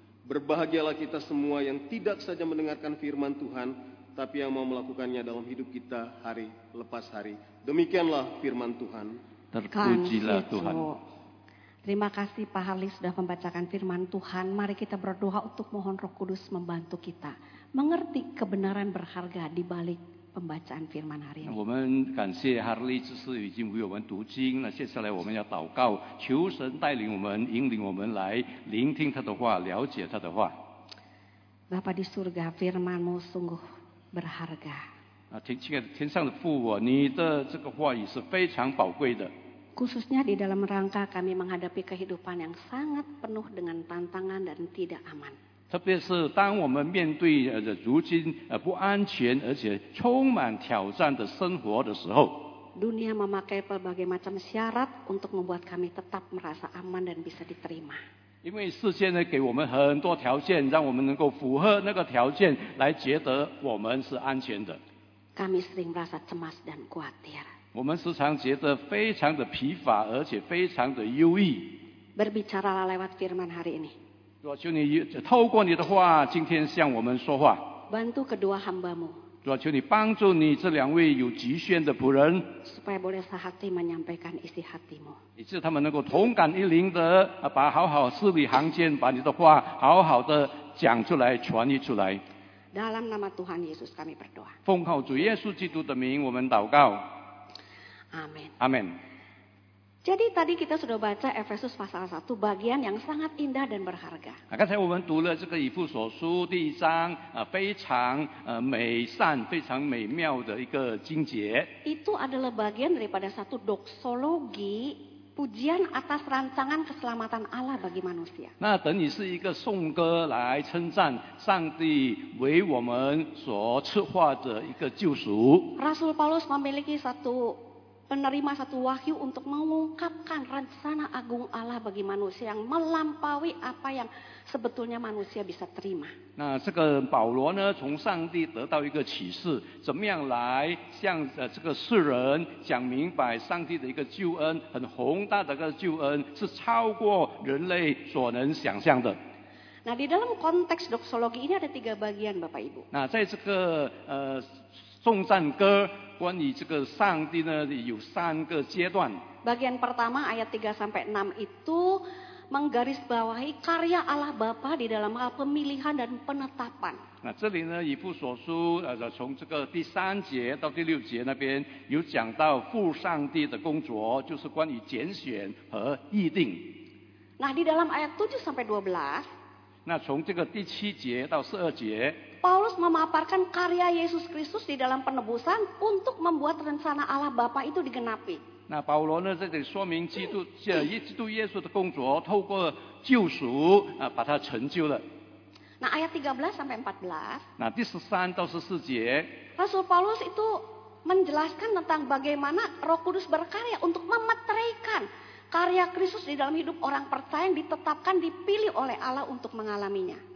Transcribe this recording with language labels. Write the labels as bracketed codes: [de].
[id] Berbahagialah kita semua yang tidak saja mendengarkan firman Tuhan, tapi yang mau melakukannya dalam hidup kita hari lepas hari. Demikianlah firman Tuhan. Terpujilah Tuhan. Terima kasih Pak Harley sudah membacakan firman Tuhan. Mari kita berdoa untuk mohon Roh Kudus membantu kita mengerti kebenaran berharga di balik pembacaan firman hari ini. [zh] 我们感谢哈利执事已经为我们读经了，接下来我们要祷告，求神带领我们，引领我们来聆听他的话，了解他的话。 [id] Bapa di surga, firman-Mu sungguh berharga. [zh] 啊，天上的父，你的这个话语是非常宝贵的。 [id] Khususnya di dalam rangka kami menghadapi kehidupan yang sangat penuh dengan tantangan dan tidak aman. [zh] 特别是当我们面对如今不安全而且充满挑战的生活的时候。 [id] Dunia memakai berbagai macam syarat untuk membuat kami tetap merasa aman dan bisa diterima. [zh] 因为世界呢给我们很多条件，让我们能够符合那个条件来觉得我们是安全的。 [id] Kami sering merasa cemas dan khawatir. [zh] 我们时常觉得非常的疲乏，而且非常的忧郁。 [id] Berbicara lewat firman hari ini. [zh] 主啊，求你透过你的话，今天向我们说话。 [id] Bantu kedua hambamu. [zh] 主啊，求你帮助你这两位有极限的仆人。 [id] Supaya boleh sehati menyampaikan isi hatimu. [zh] 以致他们能够同感一灵的把好好字里行间把你的话好好的讲出来传译出来 [id] dalam nama Tuhan Yesus kami berdoa [zh] 奉靠主耶稣基督的名我们祷告 [id] Amen. [zh] Amen. [id] Jadi tadi kita sudah baca Efesus pasal 1 bagian yang sangat indah dan berharga [zh] 刚才我们读了这个以弗所书第一章非常美善非常美妙的一个经节 [id] itu adalah bagian daripada satu doxologi Pujian atas rancangan keselamatan Allah bagi manusia. [zh] 那等于是一个颂歌来称赞上帝为我们所策划的一个救赎。 [id] Rasul Paulus memiliki satu penerima satu wahyu untuk mengungkapkan rencana agung Allah bagi manusia yang melampaui apa yang sebetulnya manusia bisa terima. [zh] 那这个保罗呢，从上帝得到一个启示，怎么样来向这个世人讲明白上帝的一个救恩，很宏大的一个救恩，是超过人类所能想象的。 [id] Nah, di dalam konteks doksologi ini ada tiga bagian, Bapak Ibu. [zh] 那在这个颂赞歌关于这个上帝呢，有三个阶段。 [id] Bagian pertama ayat 3-6 itu menggarisbawahi karya Allah Bapa di dalam hal pemilihan dan penetapan. [zh] 那这里呢，以弗所书从这个第三节到第六节那边有讲到父上帝的工作，就是关于拣选和议定。 [id] Nah, di dalam ayat 7-12。 [zh] 那从这个第七节到十二节。 [id] Paulus memaparkan karya Yesus Kristus di dalam penebusan untuk membuat rencana Allah Bapa itu digenapi. [zh] Nah, Paulus 呢在这里说明基督，基督耶稣的工作透过救赎啊，把它成就了。 [id] Nah, ayat 13-14. Nah, 13-14. Rasul Paulus itu menjelaskan tentang bagaimana Roh Kudus berkarya untuk memeteraikan karya Kristus di dalam hidup orang percaya yang ditetapkan dipilih oleh Allah untuk mengalaminya.